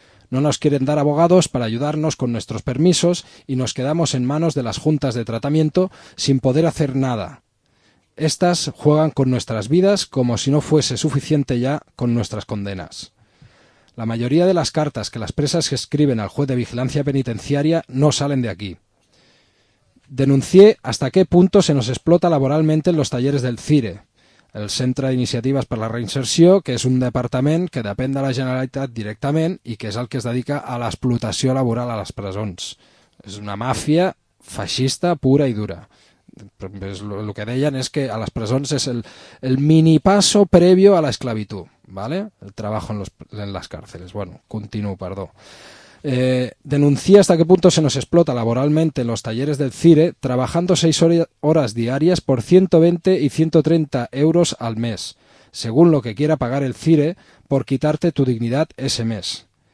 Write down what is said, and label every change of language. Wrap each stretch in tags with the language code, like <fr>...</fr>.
<es>No nos quieren dar abogados para ayudarnos con nuestros permisos y nos quedamos en manos de las juntas de tratamiento sin poder hacer nada. Estas juegan con nuestras vidas como si no fuese suficiente ya con nuestras condenas. La mayoría de las cartas que las presas escriben al juez de vigilancia penitenciaria no salen de aquí. Denuncié hasta qué punto se nos explota laboralmente en los talleres del CIRE,</es> <ca>el Centre d'Iniciatives per la Reinserció, que és un departament que depèn de la Generalitat directament i que és el que es dedica a l'explotació laboral a les presons. És una màfia feixista pura i dura. El que deien és que a les presons és el</ca> <es>mini paso previo</es> <ca>a l'esclavitud, ¿vale?</ca> <es>El trabajo en las cárceles.</es> <ca>Bueno, continuo, perdó.</ca> <es>Denuncié hasta qué punto se nos explota laboralmente en los talleres del CIRE trabajando 6 horas diarias por 120 y 130 euros al mes, según lo que quiera pagar el CIRE por quitarte tu dignidad ese mes.</es>